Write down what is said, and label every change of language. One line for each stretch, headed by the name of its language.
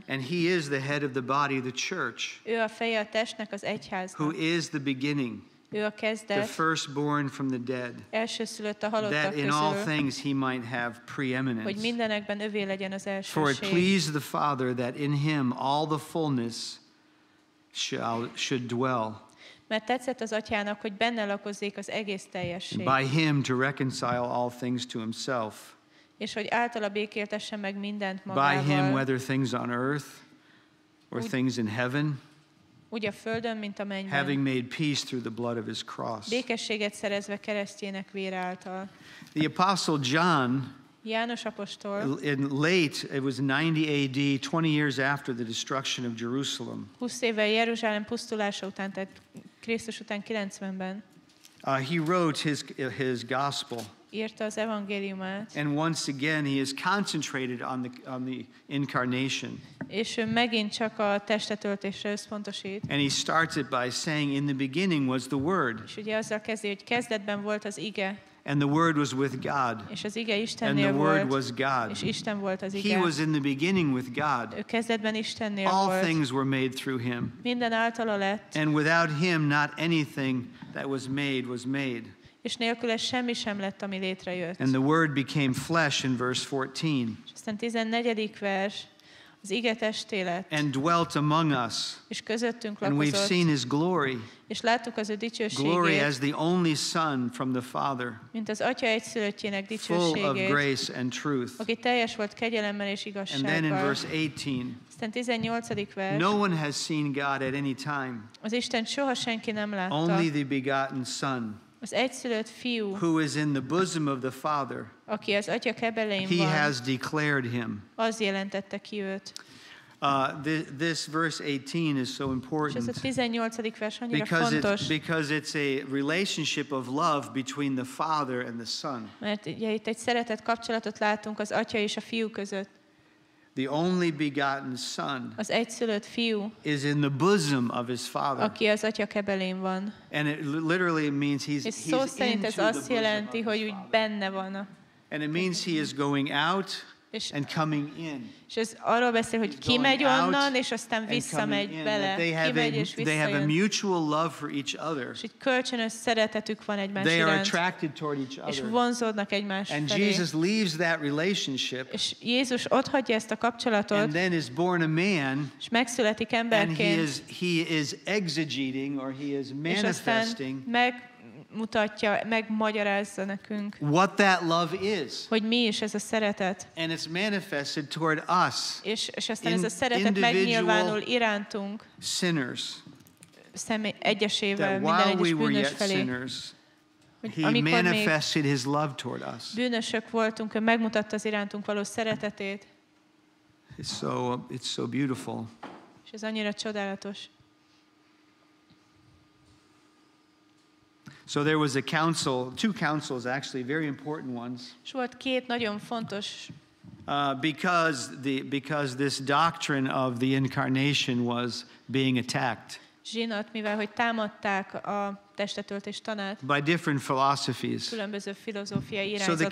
English: And he is the head of the body, the church.
Hungarian: Ő a feje a testnek, az egyháznak.
English: Who is the beginning.
Hungarian: Ő a kezdet,
English: the firstborn from the dead,
Hungarian: elsőszülött a halottak
English: that
Hungarian: közül,
English: in all things he might have preeminence.
Hungarian: Hogy mindenekben övé legyen az elsőség.
English: For it pleased the Father that in him all the fullness should dwell.
Hungarian: Mert tetszett az atyának, hogy benne lakozzék az egész teljesség.
English: By him to reconcile all things to himself.
Hungarian: És hogy általa békéltesse meg mindent magával.
English: By him whether things on earth or things in heaven.
Hungarian: Úgy a földön, mint a mennyben.
English: Having made peace through the blood of his cross.
Hungarian: Békességet szerezve keresztjének vére által.
English: The Apostle John,
Hungarian: János apostol,
English: in late, it was 90 AD, 20 years after the destruction of Jerusalem.
Hungarian: 20 éve Jeruzsálem pusztulása után, tehát Krisztus után 90-ben.
English: He wrote his gospel.
Hungarian: Írta az evangéliumát.
English: And once again he is concentrated on the incarnation.
Hungarian: És ő megint csak a testetöltésre összpontosít.
English: And he starts it by saying, in the beginning was the word.
Hungarian: És ugye azzal kezdi, hogy kezdetben volt az ige.
English: And the word was with God.
Hungarian: És az ige Istennél
English: and the
Hungarian: volt,
English: word was God.
Hungarian: És Isten volt az ige.
English: He was in the beginning with God.
Hungarian: Ő kezdetben Istennél
English: all
Hungarian: volt.
English: Things were made through him.
Hungarian: Minden általa lett.
English: And without him not anything that was made was made.
Hungarian: És nélküle semmi sem lett, ami létrejött.
English: And the word became flesh in verse 14.
Hungarian: És aztán 14. vers, az ige testté lett.
English: And dwelt among us.
Hungarian: És közöttünk lakozott.
English: And we've seen his glory.
Hungarian: És láttuk az ő dicsőségét.
English: Glory as the only son from the Father.
Hungarian: Mint az atya egyszülöttjének dicsőségét.
English: Full of grace and truth.
Hungarian: Aki teljes volt kegyelemmel és igazsággal.
English: And then in verse 18.
Hungarian: Aztán 18. vers.
English: No one has seen God at any time.
Hungarian: Az Isten soha senki nem látta.
English: Only the begotten son.
Hungarian: Az egyszülött fiú,
English: who is in the bosom of the Father,
Hungarian: aki az atya kebelein
English: he
Hungarian: van,
English: has declared him.
Hungarian: Az jelentette ki őt.
English: This verse 18 is so important.
Hungarian: És ez a 18. vers annyira
English: because
Hungarian: fontos.
English: Because it's a relationship of love between the Father and the Son.
Hungarian: Mert ugye, itt egy szeretett kapcsolatot látunk az atya és a fiú között.
English: The only begotten son
Hungarian: az egyszülött fiú,
English: is in the bosom of his father.
Hungarian: Aki az atya kebelén van.
English: And it literally means he's into
Hungarian: ez azt jelenti, hogy úgy benne van.
English: And it means he is going out and coming in.
Hungarian: És ez arról beszél, hogy kimegy onnan, és aztán visszamegy bele.
English: They have a mutual love for each other.
Hungarian: És egy kölcsönös szeretetük van egymás
English: they
Hungarian: iránt.
English: Are attracted toward each other.
Hungarian: És vonzódnak egymás
English: and
Hungarian: felé.
English: Jesus leaves that relationship.
Hungarian: És Jézus otthagyja ezt a kapcsolatot.
English: And then is born a man.
Hungarian: És megszületik emberként.
English: And he is exegeting, or he is manifesting.
Hungarian: Mutatja, megmagyarázza nekünk,
English: what that love is.
Hungarian: Hogy mi is ez a szeretet.
English: And it's manifested toward us.
Hungarian: És aztán ez a szeretet megnyilvánul irántunk.
English: Sinners.
Hungarian: Személy, egyesével, minden egyes
English: we
Hungarian: bűnös felé.
English: Sinners, he manifested his love toward us.
Hungarian: Bűnösök voltunk, ő megmutatta az irántunk való szeretetét.
English: It's so beautiful.
Hungarian: És ez annyira csodálatos.
English: So there was a council, two councils actually, very important ones.
Hungarian: Volt két nagyon fontos.
English: Because this doctrine of the incarnation was being attacked.
Hungarian: zsinat, mivel hogy támadták a testetöltés tanát.
English: By different philosophies.
Hungarian: Különböző filozófiai irányzatok.